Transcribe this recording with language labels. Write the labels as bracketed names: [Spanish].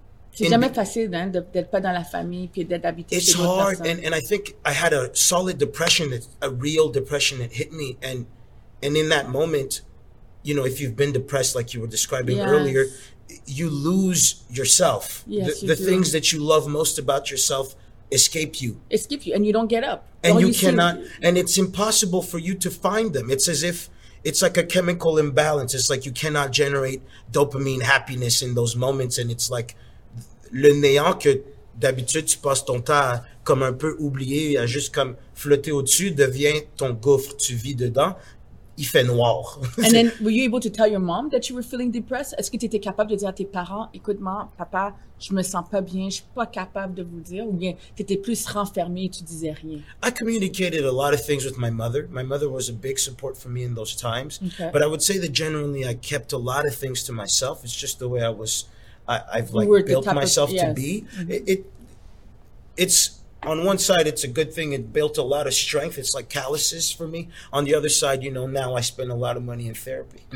[French] c'est jamais facile hein, d'être pas dans la famille puis d'être habité chez d'autres [English] hard. [French] Personnes. [English] And I think I had a solid depression, a real depression that hit me. And in that moment, you know, if you've been depressed like you were describing earlier, you lose yourself. Yes, the things that you love most about yourself escape you. Escape you, and you don't get up. And you cannot, and it's impossible for you to find them. It's as if, it's like a chemical imbalance. It's like you cannot generate dopamine happiness in those moments. And it's like, [French] le néant que d'habitude tu passes ton temps à comme un peu oublier, à juste comme flotter au-dessus, devient ton gouffre, tu vis dedans, il fait noir. [English] And then, were you able to tell your mom that you were feeling depressed? [French] Est-ce que tu étais capable de dire à tes parents, écoute-moi, papa, je me sens pas bien, je suis pas capable de vous dire, ou bien tu étais plus renfermé et tu disais rien? [English] I communicated a lot of things with my mother. My mother was a big support for me in those times. Okay. But I would say that generally I kept a lot of things to myself. It's just the way I was... I've like built myself to be. It's on one side, it's a good thing. It built a lot of strength. It's like calluses for me. On the other side, you know, now I spend a lot of money in therapy.